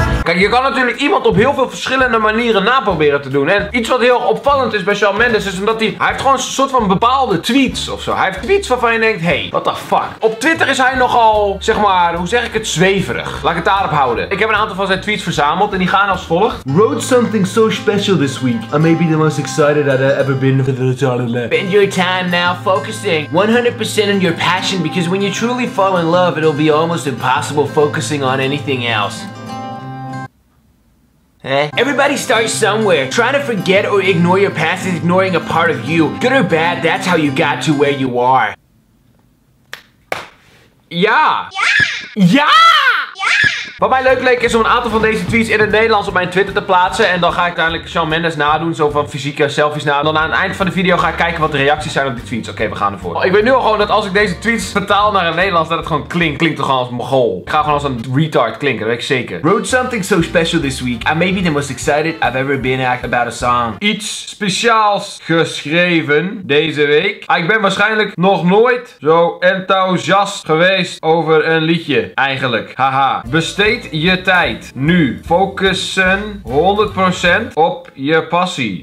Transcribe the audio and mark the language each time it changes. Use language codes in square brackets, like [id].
[nl] Kijk, je kan natuurlijk iemand op heel veel verschillende manieren naproberen te doen. En iets wat heel opvallend is bij Shawn Mendes is omdat hij heeft gewoon een soort van bepaalde tweets ofzo. Hij heeft tweets waarvan je denkt, [en] hey, what the fuck. [nl] Op Twitter is hij nogal, zeg maar, hoe zeg ik het, zweverig. Laat ik het daarop houden. Ik heb een aantal van zijn tweets verzameld en die gaan als volgt. [en] Wrote something so special this week. I may be the most excited I've ever been for the talent. Spend your time now focusing 100% on your passion. Because when you truly fall in love, it'll be almost impossible focusing on anything else. Eh? Everybody starts somewhere. Trying to forget or ignore your past is ignoring a part of you. Good or bad, that's how you got to where you are. [nl] Ja! Ja! Ja! Ja! Wat mij leuk leek is om een aantal van deze tweets in het Nederlands op mijn Twitter te plaatsen. En dan ga ik uiteindelijk Shawn Mendes nadoen, zo van fysieke selfies nadoen. Dan aan het eind van de video ga ik kijken wat de reacties zijn op die tweets. Oké, we gaan ervoor. Ik weet nu al gewoon dat als ik deze tweets vertaal naar het Nederlands, dat het gewoon klinkt toch gewoon als Mogol. Ik ga gewoon als een retard klinken, dat weet ik zeker. [en] Wrote something so special this week. I may be the most excited I've ever been about a song. [nl] Iets speciaals geschreven deze week. Ik ben waarschijnlijk nog nooit zo enthousiast geweest over een liedje. Eigenlijk, haha. Besteed je tijd nu. Focussen 100% op je passie.